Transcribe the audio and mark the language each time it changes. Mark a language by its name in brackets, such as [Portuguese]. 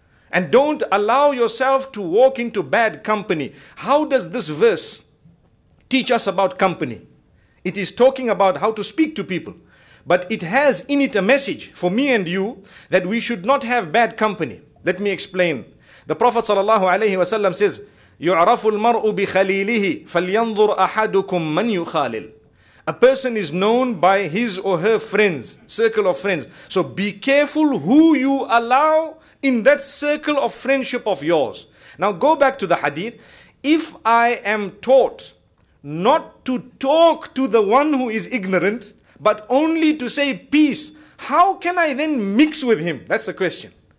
[English] And don't allow yourself to walk into bad company. How does this verse teach us about company? It is talking about how to speak to people. But it has in it a message for me and you that we should not have bad company. Let me explain. The Prophet sallallahu alaihi wasallam says, [Arabic] يُعْرَفُ الْمَرْءُ بِخَلِيلِهِ فَلْيَنْظُرْ أَحَدُكُمْ مَنْ يُخَالِلْ. [English] A person is known by his or her friends, circle of friends. So be careful who you allow in that circle of friendship of yours. Now go back to the hadith. If I am taught not to talk to the one who is ignorant, but only to say peace, how can I then mix with him? That's the question.